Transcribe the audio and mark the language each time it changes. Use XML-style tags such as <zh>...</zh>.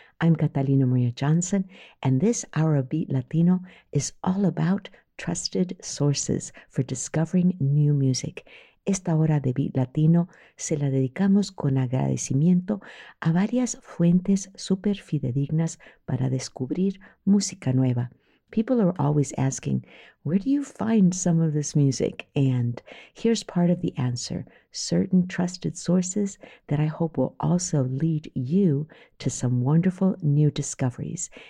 <en>I'm Catalina Maria Johnson, and this hour of Beat Latino is all about trusted sources for discovering new music.</en> <es>Esta hora de Beat Latino se la dedicamos con agradecimiento a varias fuentes super fidedignas para descubrir música nueva.</es> <en>People are always asking, where do you find some of this music? And here's part of the answer, certain trusted sources that I hope will also lead you to some wonderful new discoveries.</en>